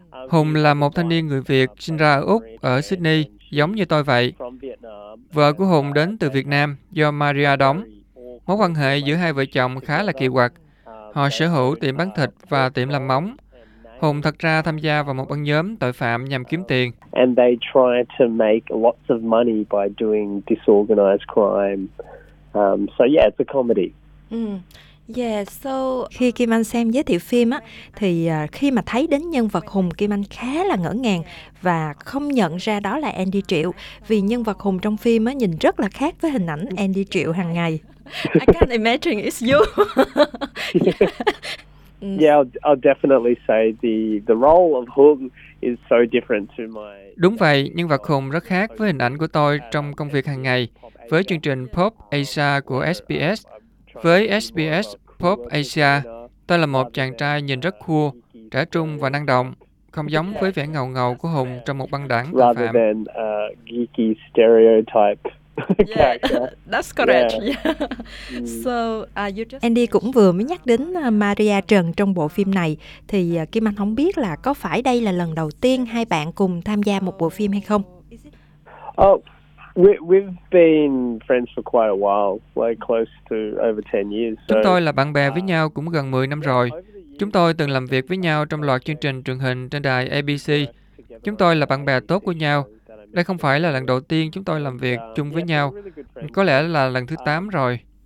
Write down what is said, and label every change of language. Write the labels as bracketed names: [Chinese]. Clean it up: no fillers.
[Vietnamese] Hùng là một thanh niên người Việt sinh ra ở Úc, ở Sydney, giống như tôi vậy. Vợ của Hùng đến từ Việt Nam do Maria đóng. Mối quan hệ giữa hai vợ chồng khá là kỳ quặc. Họ sở hữu tiệm bán thịt và tiệm làm móng. Hùng thật ra tham gia vào một băng nhóm tội phạm nhằm kiếm tiền. [English] And they try to make lots of money by doing disorganized crime. So yeah, it's a comedy. [Vietnamese] Yeah, so khi Kim Anh xem giới thiệu phim á, thì khi mà thấy đến nhân vật Hùng, Kim Anh khá là ngỡ ngàng và không nhận ra đó là Andy Triệu, vì nhân vật Hùng trong phim á nhìn rất là khác với hình ảnh Andy Triệu hàng ngày. [English] I can't imagine it's you. Yeah, I'll definitely say the role of Hùng is so different to my. [Vietnamese] Đúng vậy, nhân vật Hùng rất khác với hình ảnh của tôi trong công việc hàng ngày với chương trình Pop Asia của SBS. Với SBS Pop Asia, tôi là một chàng trai nhìn rất cool, trẻ trung và năng động, không giống với vẻ ngầu ngầu của Hùng trong một băng đảng tội phạm. [English] Rather than geeky stereotype. Yeah, that's correct. Yeah. So, you just [Vietnamese] Andy cũng vừa mới nhắc đến Maria Trần trong bộ phim này, thì Kim Anh không biết là có phải đây là lần đầu tiên hai bạn cùng tham gia một bộ phim hay không? [English] We've been friends for quite a while, like close to over 10 years. [Vietnamese] Chúng tôi là bạn bè với nhau cũng gần 10 năm rồi. Chúng tôi từng làm việc với nhau trong loạt chương trình truyền hình trên đài ABC. Chúng tôi là bạn bè tốt của nhau. Đây không phải là lần đầu tiên chúng tôi làm việc chung với nhau. Có lẽ là lần thứ 8 rồi.